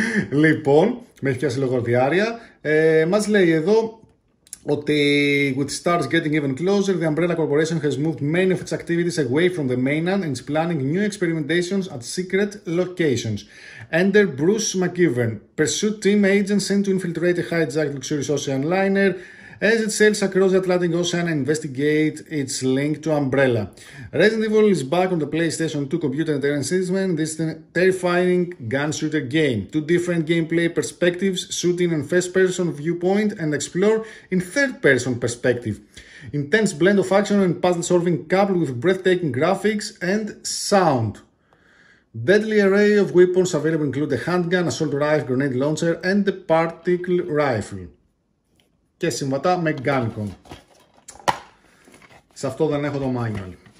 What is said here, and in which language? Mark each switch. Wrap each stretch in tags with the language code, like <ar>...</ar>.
<el>Λοιπόν, με έχει πιάσει λογοδιάρια. Μας λέει εδώ ότι</el> <en>with stars getting even closer, the Umbrella Corporation has moved many of its activities away from the mainland and is planning new experimentations at secret locations. Enter Bruce McGivern, pursuit team agent sent to infiltrate a hijacked luxurious ocean liner as it sails across the Atlantic Ocean and investigate its link to Umbrella. Resident Evil is back on the PlayStation 2 computer and terrain system. This is a terrifying gun shooter game. Two different gameplay perspectives, shooting in first person viewpoint and explore in third person perspective. Intense blend of action and puzzle solving coupled with breathtaking graphics and sound. Deadly array of weapons available include a handgun, assault rifle, grenade launcher and the particle rifle.</en> <el>Και συμβατά με Gunicorn. Σε αυτό δεν έχω το manual.</el>